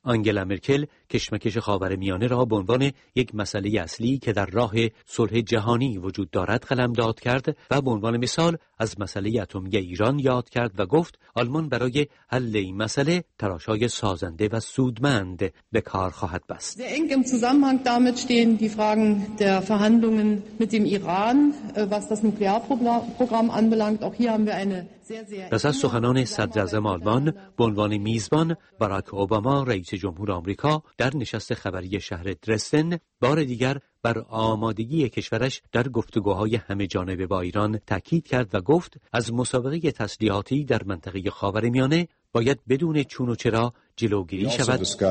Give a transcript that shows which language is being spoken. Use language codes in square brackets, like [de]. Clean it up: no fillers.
[fa] آنگلا مرکل کشمکش خاورمیانه را به عنوان یک مسئله اصلی که در راه صلح جهانی وجود دارد قلمداد کرد و به عنوان مثال از مسئله اتمی ایران یاد کرد و گفت آلمان برای حل این مسئله تلاش‌های سازنده و سودمند به کار خواهد بست. [de] Sehr eng im Zusammenhang damit stehen die Fragen der Verhandlungen mit dem Iran, was das Nuklearprogramm anbelangt. Auch hier haben wir eine [fa] پس از سخنان صدر اعظم آلمان به عنوان میزبان، باراک اوباما رئیس جمهور آمریکا در نشست خبری شهر درسدن بار دیگر بر آمادگی کشورش در گفتگوهای همه جانبه با ایران تاکید کرد و گفت از مسابقه تسلیحاتی در منطقه خاورمیانه باید بدون چون و چرا جلوگیری شود.